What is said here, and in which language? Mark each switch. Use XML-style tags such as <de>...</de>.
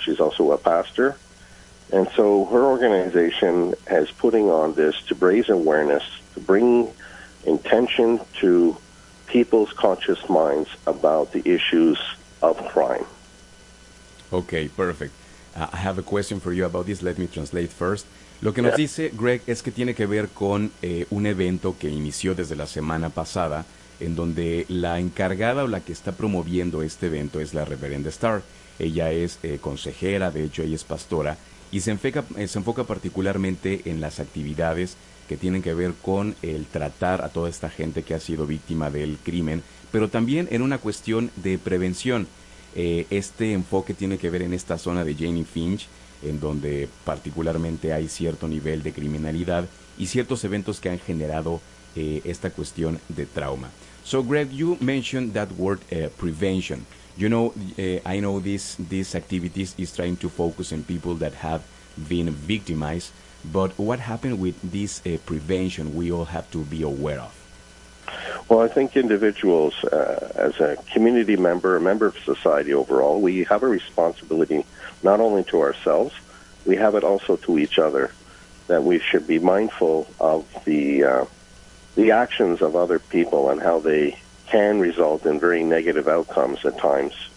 <en>She's also a pastor. And so her organization is putting on this to raise awareness, to bring intention to people's conscious minds about the issues of crime. Okay, perfect. I have a question for you about this. Let me translate first.</en> <es>Lo que nos dice Greg es que tiene que ver con un evento que inició desde la semana pasada, en donde la encargada o la que está promoviendo este evento es la Reverenda Starr. Ella es consejera, de hecho ella es pastora, y se enfoca particularmente en las actividades que tienen que ver con el tratar a toda esta gente que ha sido víctima del crimen, pero también en una cuestión de prevención. Este enfoque tiene que ver en esta zona de Jane Finch, en donde particularmente hay cierto nivel de criminalidad y ciertos eventos que han generado esta cuestión de trauma.</es> <en>So, Greg, you mentioned that word prevention. You know, I know this activity is trying to focus on people that have been victimized, but what happened with this prevention we all have to be aware of? Well, I think individuals, as a community member, a member of society overall, we have a responsibility not only to ourselves, we have it also to each other, that we should be mindful of the actions of other people and how they can result in very negative outcomes at times.</en>